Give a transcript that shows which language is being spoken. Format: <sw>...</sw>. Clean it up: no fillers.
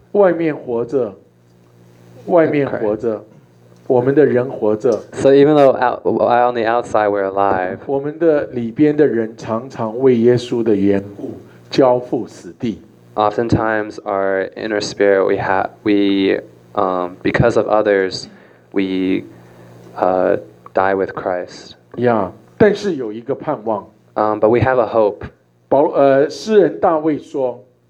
<zh>外面活着，外面活着，我们的人活着。</zh> <en>So even though on the outside we're alive,</en> <zh>我们的里边的人常常为耶稣的缘故交付死地。</zh> <en>Oftentimes our inner spirit because of others, die with Christ.</en> <zh>Yeah, 但是有一个盼望。</zh> <en>But we have a hope.</en> <zh>诗人大卫说。</zh>